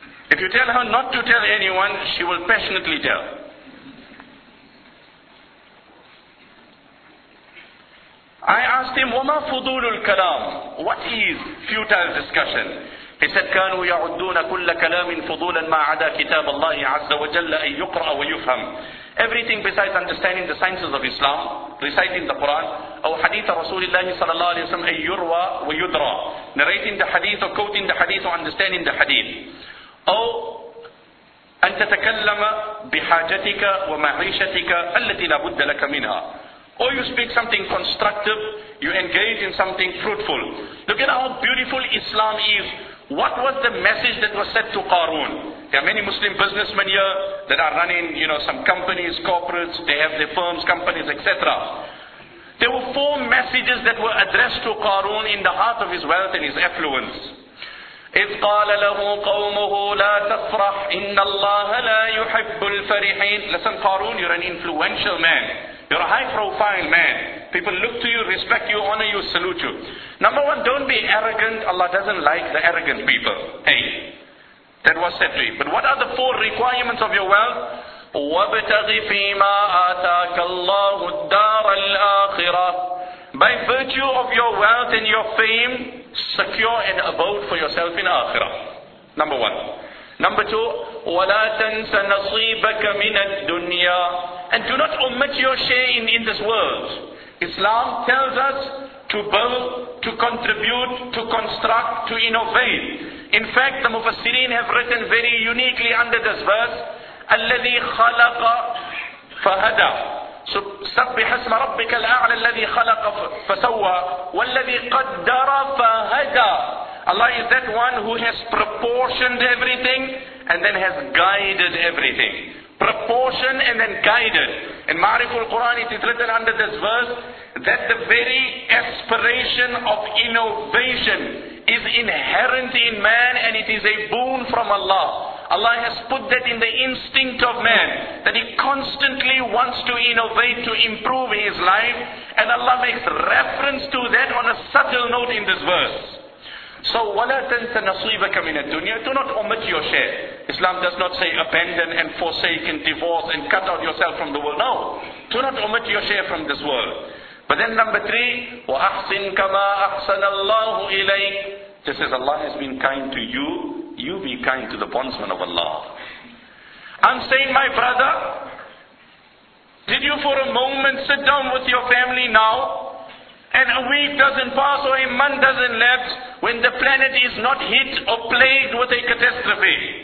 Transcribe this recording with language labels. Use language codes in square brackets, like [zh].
[en] If you tell her not to tell anyone, she will passionately tell. I asked him, [ar] وَمَا فُضُولُ الْكَلَامِ. [en] What is futile discussion? He said, [ar] كَانُوا يَعُدُّونَ كُلَّ كَلَامٍ فُضُولًا مَا عَدَى كِتَابَ اللَّهِ عَزَّ وَجَلَّ أَن يُقْرَأَ وَيُفْهَمْ. [en] Everything besides understanding the sciences of Islam, reciting the Quran, or hadith of Rasulullah sallallahu alayhi wa sallam, [ar] أَن يُرْوَى وَيُدْرَى. [en] Narrating the hadith or quoting the hadith or understanding the hadith. [ar] أو أن تتكلم بحاجتك ومعيشتك التي لا بد لك منها. [en] Or you speak something constructive, you engage in something fruitful. Look at how beautiful Islam is. What was the message that was said to Qarun? There are many Muslim businessmen here that are running, you know, some companies, corporates, they have their firms, companies, etc. There were 4 messages that were addressed to Qarun in the heart of his wealth and his affluence. [ar] إِذْ قَالَ لَهُ قَوْمُهُ لَا تَفْرَحْ إِنَّ اللَّهَ لَا يُحِبُّ الْفَرِحِينَ. [en] Listen, Qarun, you're an influential man. You're a high-profile man. People look to you, respect you, honor you, salute you. Number one, don't be arrogant. Allah doesn't like the arrogant people. Hey, that was said to you. But what are the 4 requirements of your wealth? [ar] وَبْتَغِ فِي مَا آتَاكَ اللَّهُ الدَّارَ الْآخِرَةِ. [en] By virtue of your wealth and your fame, secure an abode for yourself in Akhirah. Number one. Number two, [ar] وَلَا تَنْسَ نَصِيبَكَ مِنَ الدُّنْيَا. [en] And do not omit your share in this world. Islam tells us to build, to contribute, to construct, to innovate. In fact, the Mufassirin have written very uniquely under this verse, [ar] أَلَّذِي خَلَقَ فَهَدَى. سبح اسم ربك الأعلى الذي خلق فسوى والذي قدر فهدى. [en] Allah is that one who has proportioned everything and then has guided everything. Proportion and then guided. In Ma'riful Quran it is written under this verse that the very aspiration of innovation is inherent in man and it is a boon from Allah. Allah has put that in the instinct of man, that he constantly wants to innovate, to improve his life, and Allah makes reference to that on a subtle note in this verse. So [ar] وَلَا تَنْتَ نَصِيبَكَ مِنَ الدُّنْيَا. [en] Do not omit your share. Islam does not say abandon and forsake and divorce and cut out yourself from the world. No. Do not omit your share from this world. But then number three, [ar] وَأَحْسِنْ كَمَا أَحْسَنَ اللَّهُ إِلَيْكَ. [en] Just as Allah has been kind to you, you be kind to the bondsman of Allah. I'm saying, my brother, did you for a moment sit down with your family now? And a week doesn't pass or a month doesn't lapse when the planet is not hit or plagued with a catastrophe.